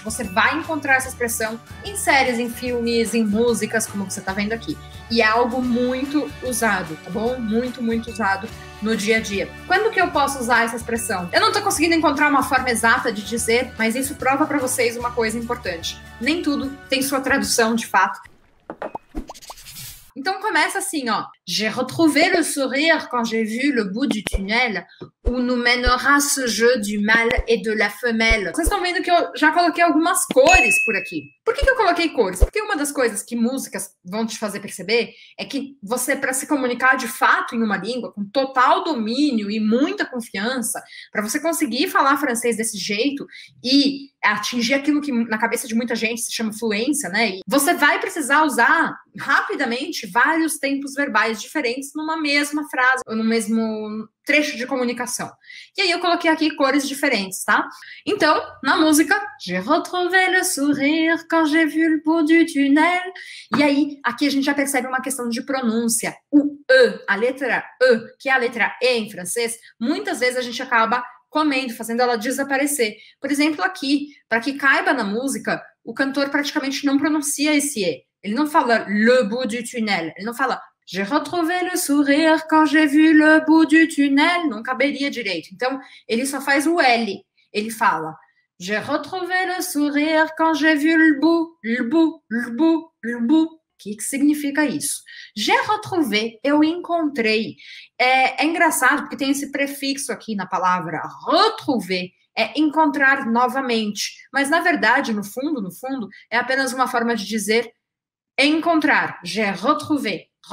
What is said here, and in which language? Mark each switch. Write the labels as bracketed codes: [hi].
[pt] Você vai encontrar essa expressão em séries, em filmes, em músicas, como você tá vendo aqui. E é algo muito usado, tá bom? Muito, muito usado no dia a dia. Quando que eu posso usar essa expressão? Eu não tô conseguindo encontrar uma forma exata de dizer, mas isso prova pra vocês uma coisa importante. Nem tudo tem sua tradução, de fato. Então começa assim, ó. [fr] J'ai retrouvé le sourire quand j'ai vu le bout du tunnel où nous mènera ce jeu du mâle et de la femelle. [pt] Vocês estão vendo que eu já coloquei algumas cores por aqui. Por que que eu coloquei cores? Porque uma das coisas que músicas vão te fazer perceber é que você, para se comunicar de fato em uma língua com total domínio e muita confiança, para você conseguir falar francês desse jeito e atingir aquilo que na cabeça de muita gente se chama fluência, né? E você vai precisar usar rapidamente vários tempos verbais diferentes numa mesma frase ou no mesmo trecho de comunicação. E aí eu coloquei aqui cores diferentes, tá? Então, na música, [fr] j'ai retrouvé le sourire quand j'ai vu le bout du tunnel. [pt] E aí, aqui a gente já percebe uma questão de pronúncia. O E, a letra E, que é a letra E em francês, muitas vezes a gente acaba comendo, fazendo ela desaparecer. Por exemplo, aqui, para que caiba na música, o cantor praticamente não pronuncia esse E. Ele não fala [fr] le bout du tunnel, ele não fala j'ai retrouvé le sourire quand j'ai vu le bout du tunnel. [pt] Não caberia direito. Então, ele só faz o L. Ele fala [fr] j'ai retrouvé le sourire quand j'ai vu le bout. [pt] Que significa isso? [fr] J'ai retrouvé, [pt] eu encontrei. É engraçado porque tem esse prefixo aqui na palavra retrouvé. É encontrar novamente. Mas, na verdade, no fundo, é apenas uma forma de dizer encontrar. [fr] J'ai retrouvé.